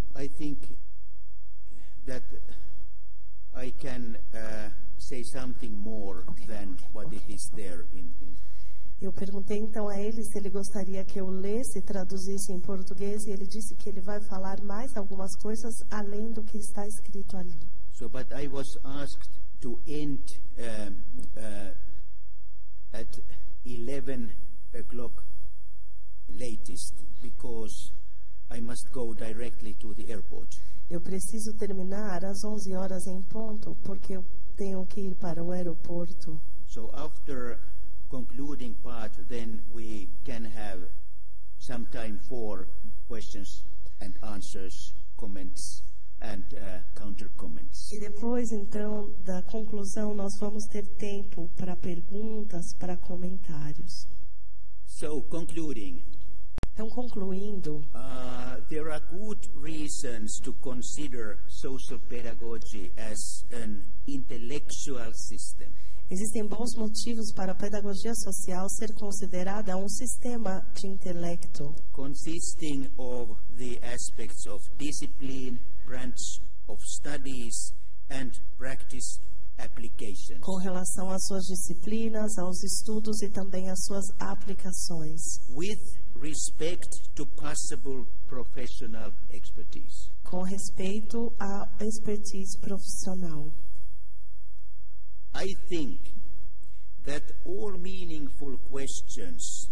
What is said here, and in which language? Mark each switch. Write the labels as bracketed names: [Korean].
[English] I think that I can say something more than what it is there in. [Portuguese] Eu perguntei então a ele se ele gostaria que eu lesse e traduzisse em português e ele disse que ele vai falar mais algumas coisas além do que está escrito ali. [English] So, but I was asked to end at 11 o'clock latest because I must go directly to the airport. [Portuguese] Eu preciso terminar às 11 horas em ponto porque eu tenho que ir para o aeroporto. [English] So after concluding part, then we can have some time for questions and answers, comments and counter comments. [Portuguese] E depois então da conclusão nós vamos ter tempo para perguntas, para comentários. [English] So concluding. [Portuguese] Então, concluindo, [English] there are good reasons to consider social pedagogy as an intellectual system. [Portuguese] Existem bons motivos para a pedagogia social ser considerada um sistema de intelecto. [English] Consisting of the aspects of discipline, branch of studies and practice applications. [Portuguese] Com relação às suas disciplinas, aos estudos e também às suas aplicações. [English] With respect to possible professional expertise. [Portuguese] Com respeito à expertise profissional. [English] I think that all meaningful questions.